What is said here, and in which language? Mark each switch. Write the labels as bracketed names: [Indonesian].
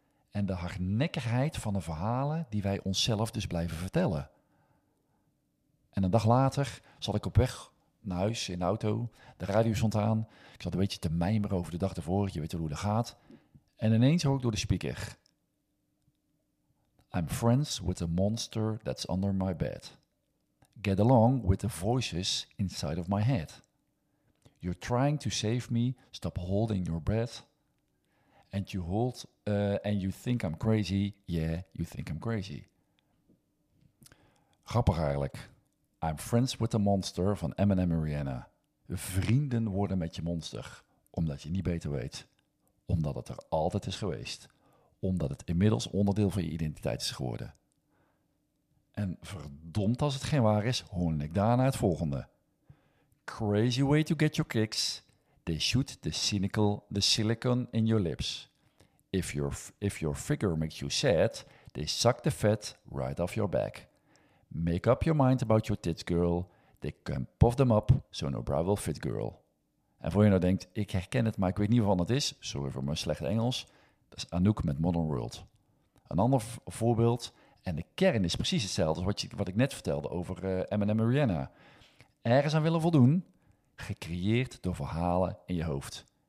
[Dutch] En de hardnekkigheid van de verhalen die wij onszelf dus blijven vertellen. En een dag later zat ik op weg naar huis in de auto. De radio stond aan. Ik zat een beetje te mijmeren over de dag ervoor. Je weet wel hoe dat gaat. En ineens hoor ik door de speaker. [English] I'm friends with the monster that's under my bed. Get along with the voices inside of my head. You're trying to save me. Stop holding your breath. And you hold. And you think I'm crazy. Yeah, you think I'm crazy. [Dutch] Grappig eigenlijk. I'm friends with the monster van Eminem en Rihanna. Vrienden worden met je monster, omdat je niet beter weet. Omdat het er altijd is geweest. Omdat het inmiddels onderdeel van je identiteit is geworden. En verdomd als het geen waar is, hoorde ik daarna het volgende. [English] Crazy way to get your kicks. They shoot the silicon in your lips. If your figure makes you sad, they suck the fat right off your back. Make up your mind about your tits, girl. They can puff them up, so no bra will fit, girl. [Dutch] En voor je nou denkt, ik herken het, maar ik weet niet wat het is. Sorry voor mijn slechte Engels. Dat is Anouk met Modern World. Een ander voorbeeld. En de kern is precies hetzelfde als wat ik net vertelde over Eminem en Rihanna. Ergens aan willen voldoen. Gecreëerd door verhalen in je hoofd.